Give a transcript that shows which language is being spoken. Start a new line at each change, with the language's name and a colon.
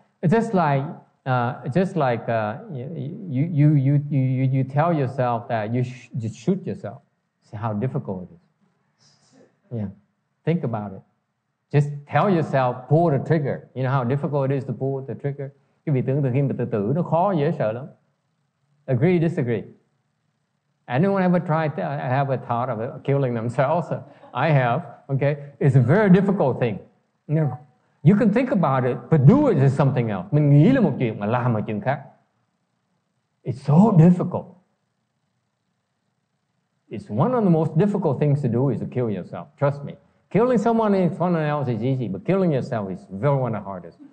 English: You tell yourself that you just shoot yourself. See how difficult it is. Yeah. Think about it. Just tell yourself, pull the trigger. You know how difficult it is to pull the trigger?
Vietnamese: Cái vị tưởng tượng khi mà tự tử nó khó dễ sợ lắm.
English: Agree, disagree? Anyone ever have a thought of killing themselves? I have. Okay. It's a very difficult thing. You can think about it, but do it is something else.
Vietnamese: Mình nghĩ là một chuyện mà làm một chuyện khác.
English: It's so difficult. It's one of the most difficult things to do is to kill yourself. Trust me. Killing someone in front of else is easy, but killing yourself is very one of the hardest.